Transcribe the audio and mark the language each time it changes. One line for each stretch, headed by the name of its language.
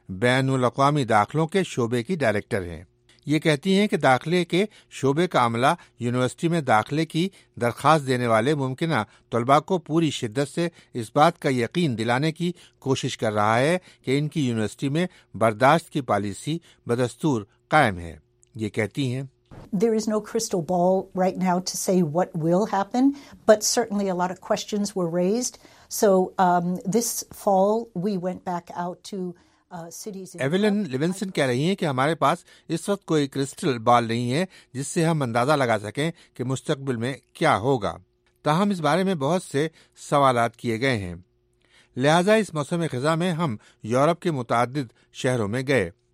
Urdu: بین الاقوامی داخلوں کے شعبے کی ڈائریکٹر ہیں۔ یہ کہتی ہیں کہ داخلے کے شعبے کا عملہ یونیورسٹی میں داخلے کی درخواست دینے والے ممکنہ طلبہ کو پوری شدت سے اس بات کا یقین دلانے کی کوشش کر رہا ہے کہ ان کی یونیورسٹی میں برداشت کی پالیسی بدستور قائم ہے۔ یہ کہتی ہیں،
English: There is no crystal ball right now to say what will happen, but certainly a lot of questions were raised. So this fall we went back out to cities.
Urdu: ایویلن Levinson کہہ رہی ہیں کہ ہمارے پاس اس وقت کوئی کرسٹل بال نہیں ہے جس سے ہم اندازہ لگا سکیں کہ مستقبل میں کیا ہوگا، تاہم اس بارے میں بہت سے سوالات کیے گئے ہیں۔ لہذا اس موسم خزاں میں ہم یورپ کے متعدد شہروں میں گئے۔